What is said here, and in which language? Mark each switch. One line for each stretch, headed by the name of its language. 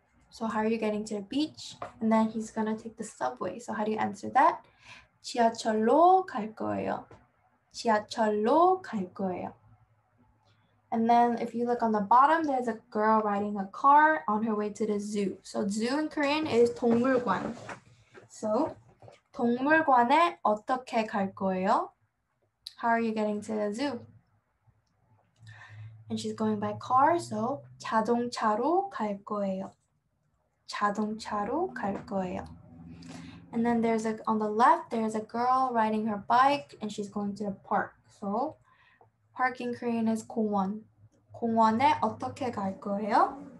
English: So how are you getting to the beach? And then he's gonna take the subway. So how do you answer that?
Korean: 지하철로 갈 거예요. 지하철로 갈 거예요.
English: And then if you look on the bottom, there's a girl riding a car on her way to the zoo. So zoo in Korean is 동물관.
Korean: So 동물관에 어떻게 갈 거예요?
English: How are you getting to the zoo? And she's going by car, so
Korean: 자동차로 갈 거예요. 자동차로 갈 거예요.
English: And then there's a, on the left, there's a girl riding her bike and she's going to the park. So park in Korean is 공원.
Korean: 공원에 어떻게 갈 거예요?